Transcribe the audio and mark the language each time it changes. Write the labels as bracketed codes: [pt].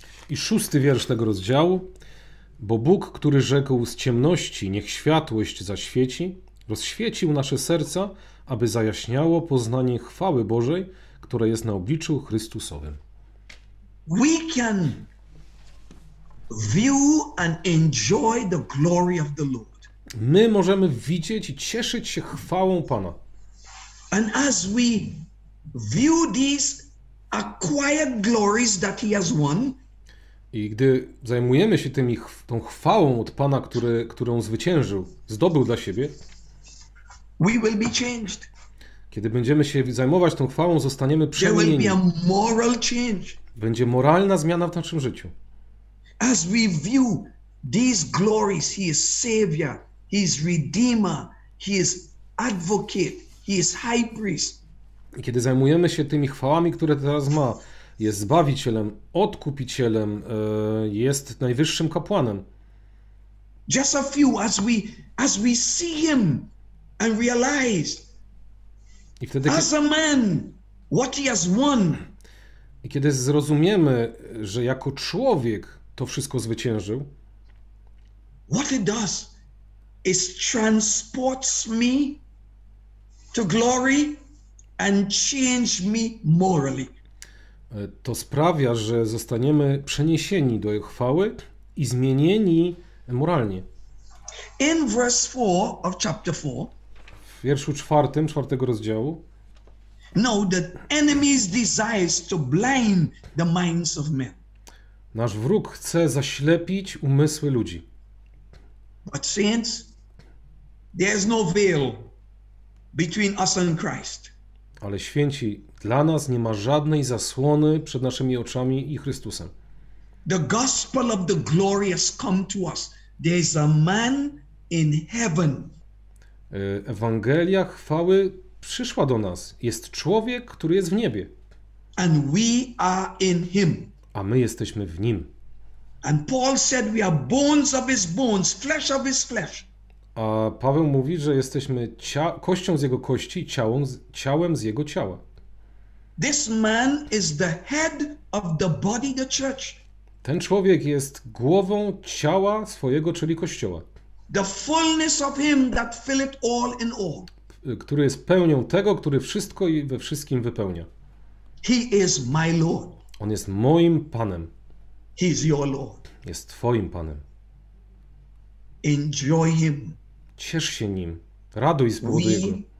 [pl] I szósty wiersz tego rozdziału. Bo Bóg, który rzekł z ciemności, niech światłość zaświeci, rozświecił nasze serca, aby zajaśniało poznanie chwały Bożej, która jest na obliczu Chrystusowym. [en] We can view and enjoy the glory of the Lord. [pl] My możemy widzieć i cieszyć się chwałą Pana. [en] And as we view these acquired glories that he has won, [pl] i gdy zajmujemy się tym, tą chwałą od Pana, którą zwyciężył, zdobył dla siebie, [en] we will be changed. [pl] Kiedy będziemy się zajmować tą chwałą, zostaniemy przemienieni. [en] There will be a moral change. [pl] Będzie moralna zmiana w naszym życiu. [en] As we view these glories, he is savior, he is redeemer, he is advocate, he is high priest. [pl] I kiedy zajmujemy się tymi chwałami, które teraz ma, jest Zbawicielem, Odkupicielem, jest Najwyższym Kapłanem. [en] Just a few, as we see him and realize, [pl] i wtedy, [en] as a man, what he has won. [pl] I kiedy zrozumiemy, że jako człowiek to wszystko zwyciężył, [en] what it does is transports me to glory and change me morally. [pl] To sprawia, że zostaniemy przeniesieni do jego chwały i zmienieni moralnie. [en] In verse 4 of chapter 4. [pl] W wierszu 4, 4 rozdziału. [en] Now the enemy's desires to blind the minds of men. [pl] Nasz wróg chce zaślepić umysły ludzi. [en] But saints, there's no veil between us and Christ. [pl] Ale święci, dla nas nie ma żadnej zasłony przed naszymi oczami i Chrystusem. [en] The gospel of the glory has come to us. There is a man in heaven. [pl] Ewangelia chwały przyszła do nas. Jest człowiek, który jest w niebie. [en] And we are in him. [pl] A my jesteśmy w nim. [en] And Paul said we are bones of his bones, flesh of his flesh. [pl] A Paweł mówi, że jesteśmy kością z jego kości, ciałem z jego ciała. [en] This man is the head of the body, the church. [pl] Ten człowiek jest głową ciała swojego, czyli kościoła. [en] The fullness of him that filled all in all. [pl] Który jest pełnią tego, który wszystko i we wszystkim wypełnia. [en] He is my Lord. [pl] On jest moim Panem. [en] He is your Lord. [pl] Jest twoim Panem. [en] Enjoy him. [pl] Ciesz się nim. Raduj z powodu jego.